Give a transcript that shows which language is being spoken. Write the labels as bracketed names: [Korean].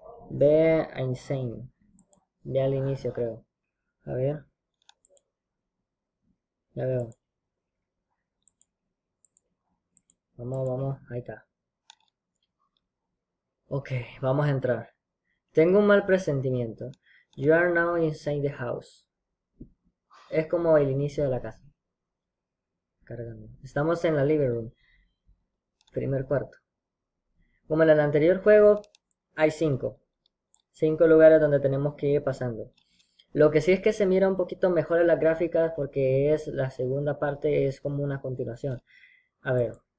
[Spanish] Ve a Insane. Ve al inicio, creo. A ver. Ya veo. Vamos, vamos. Ahí está. Ok, vamos a entrar. Tengo un mal presentimiento. [English] You are now inside the house. [Spanish] Es como el inicio de la casa. Cargando. Estamos en la living room. Primer cuarto. Como en el anterior juego, hay cinco. Cinco lugares donde tenemos que ir pasando. Lo que sí es que se mira un poquito mejor en las gráficas porque es la segunda parte, es como una continuación. A ver.